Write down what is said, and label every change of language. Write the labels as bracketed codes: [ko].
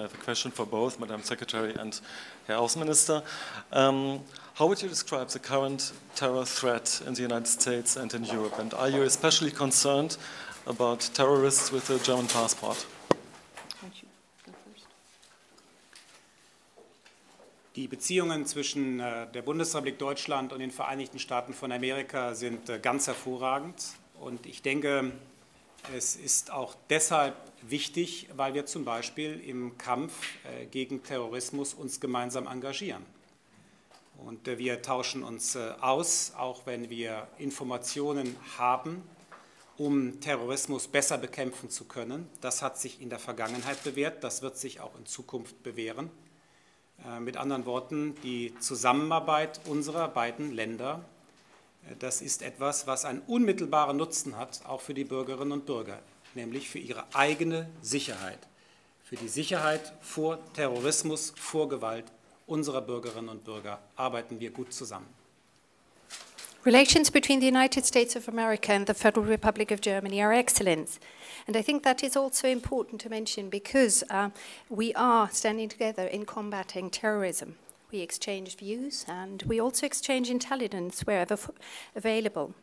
[en] I have a question for both Madam Secretary and Herr Außenminister. How would you describe the current terror threat in the United States and in Europe? And are you especially concerned about terrorists with a German passport? Can't you go first? [de] Die Beziehungen zwischen der Bundesrepublik Deutschland und den Vereinigten Staaten von Amerika sind ganz hervorragend. Und ich denke, es ist auch deshalb wichtig, weil wir zum Beispiel im Kampf gegen Terrorismus uns gemeinsam engagieren. Und wir tauschen uns aus, auch wenn wir Informationen haben, um Terrorismus besser bekämpfen zu können. Das hat sich in der Vergangenheit bewährt, das wird sich auch in Zukunft bewähren. Mit anderen Worten, die Zusammenarbeit unserer beiden Länder, das ist etwas, was einen unmittelbaren Nutzen hat, auch für die Bürgerinnen und Bürger, nämlich für ihre eigene Sicherheit, für die Sicherheit vor Terrorismus, vor Gewalt unserer Bürgerinnen und Bürger arbeiten wir gut zusammen. [en] Relations between the United States of America and the Federal Republic of Germany are excellent. And I think that is also important to mention because we are standing together in combating terrorism. We exchange views, and we also exchange intelligence wherever available.